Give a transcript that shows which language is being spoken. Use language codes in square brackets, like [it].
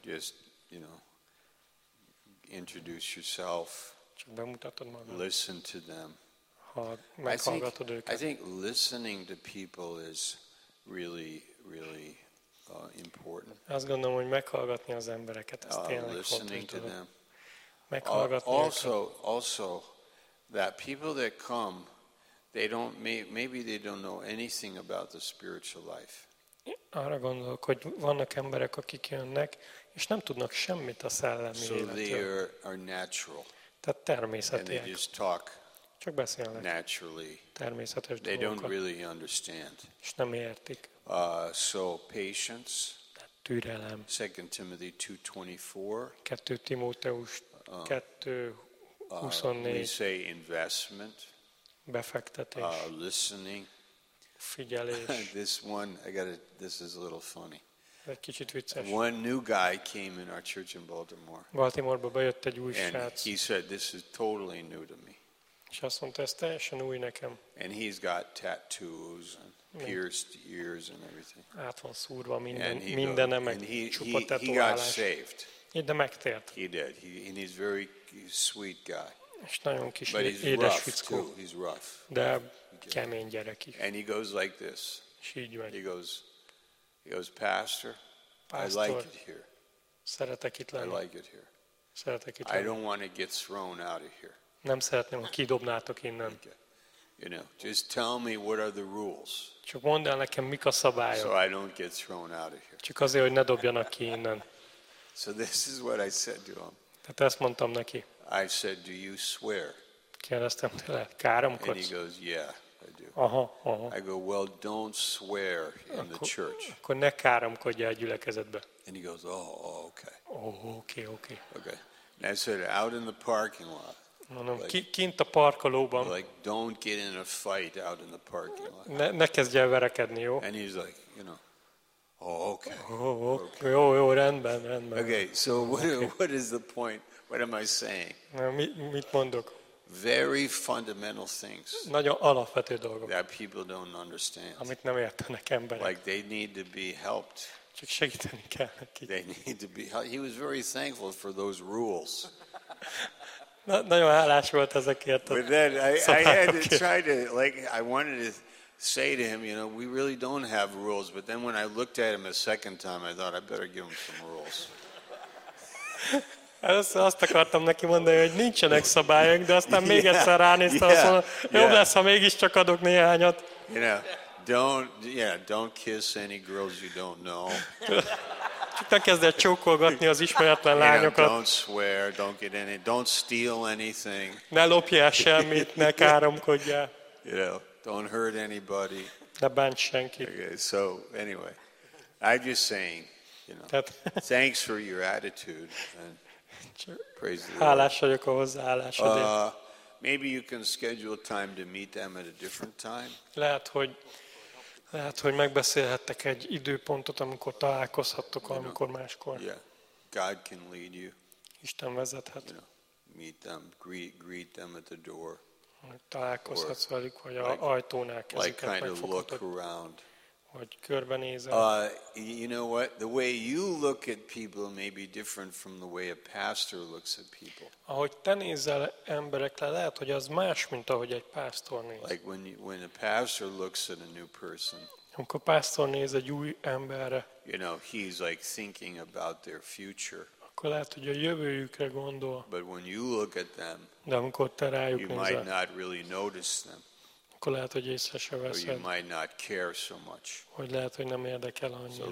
[en] Just, you know, introduce yourself. [hu] Csak bemutatod magad. [en] Listen to them. I think listening to people is really, really important. [hu] Azt gondolom, hogy meghallgatni az embereket, ez tényleg [en] listening to them. [hu] Meghallgatni [en] also, that people that come, they don't maybe they don't know anything about the spiritual life. [hu] Arra gondolok, hogy vannak emberek, akik jönnek, és nem tudnak semmit a szellemi életről. [en] So they are natural. [hu] Tehát természetiek. [en] And they just talk. [hu] Csak beszélnek. [en] Naturally. [hu] Természetes dolgokat. [en] They don't really understand. [hu] És nem értik. [en] So patience. [hu] Türelem. [en] 2 Timothy 2:24. [hu] 2 Timóteus 2:24. [en] We say investment. [hu] Befektetés. [en] Listening. [hu] Figyelés. [en] This is a little funny. [hu] Egy kicsit vicces. [en] One new guy came in our church in Baltimore. [hu] Baltimoreba bejött egy új srác. [en] And he said, this is totally new to me. [hu] És azt mondta, ez teljesen új nekem. [en] And he's got tattoos and pierced ears and everything. [hu] Át van szúrva mindenemek, csupa tetoválás. [en] He got saved. [hu] De megtért. [en] He did. And he's very sweet guy. [hu] És nagyon kis édes fickó. [en] He's rough. [hu] De kemény gyerek is. [en] And he goes like this. [hu] És így van. [en] He goes, Pastor, I like it here. [hu] Szeretek itt lenni. [en] I like it here. [hu] Szeretek itt lenni. [en] I don't want to get thrown out of here. [hu] Nem szeretném, ha kidobnátok innen. [en] Okay. You know, just tell me what are the rules. [hu] Csak mondd el nekem, mik a szabályok. [en] So I don't get thrown out of here. [hu] Csak azért, hogy ne dobjanak ki innen. [en] So this is what I said to him. [hu] Tehát ezt mondtam neki. [en] I said, do you swear? [hu] Kérdeztem tőle, káromkodsz? [en] And he goes, yeah, I do. Aha, aha. I go, well, don't swear in the church. [hu] Akkor ne káromkodjál a gyülekezetbe. [en] And he goes, oh, okay. Oh, okay, okay. Okay. And I said, out in the parking lot. [hu] Mondom, like, kint a parkolóban. [en] Like, don't get in a fight out in the parking lot. [hu] Ne kezdj el verekedni, jó? [en] And he's like, you know, oh, okay. Oh, okay. [hu] Jó, jó, rendben, rendben. [en] Okay, so what, okay. What is the point? What am I saying? [hu] Na, mit mondok? [en] Very fundamental things. [hu] Nagyon alapvető dolgok. [en] That people don't understand. [hu] Amit nem értenek emberek. [en] Like they need to be helped. [hu] Csak segíteni kell neki. [en] They need to be helped. He was very thankful for those rules. [hu] Nagyon hálás volt ezekért. [en] But then I had to try to, like, I wanted to say to him, you know, we really don't have rules. But then when I looked at him a second time, I thought I better give him some rules. [hu] Azt akartam neki mondani, hogy nincsenek szabályok, de aztán még egyszer ránéztem, azt mondom, jobb lesz, ha mégiscsak adok néhányat. [en] You know, don't kiss any girls you don't know. [hu] Csak ne kezd el csókolgatni az ismeretlen lányokat. [en] Don't swear, don't get any, don't steal anything. [hu] Ne lopjál semmit, ne káromkodjál. [en] You know, don't hurt anybody. [hu] Ne bánts senkit. [en] Okay, so anyway, I'm just saying, you know, thanks for your attitude and praise the Lord. Maybe you can schedule time to meet them at a different time. [hu] Lehet, hogy megbeszélhettek egy időpontot, amikor találkozhattok, amikor máskor. [en] Yeah. God can lead you. [hu] Isten vezethet. [en] You know, meet them, greet them at the door. [hu] Találkozhatsz velük, vagy a ajtónál kezdik. [en] Like kind of look around. [hu] Hogy körbenézel. [en] You know what? The way you look at people may be different from the way a pastor looks at people. [hu] Ahogy te nézel emberekre, lehet, hogy az más, mint ahogy egy pásztor néz. [en] Like when a pastor looks at a new person. [hu] Amikor pásztor néz egy új emberre. [en] You know, he's like thinking about their future. [hu] Akkor lehet, hogy a jövőjükre gondol. [en] But when you look at them, [hu] de amikor te rájuk nézel, [en] you might not really notice them. [hu] Akkor lehet, hogy észre se veszed. [en] You might not care so much. [hu] Hogy lehet, hogy nem érdekel annyira.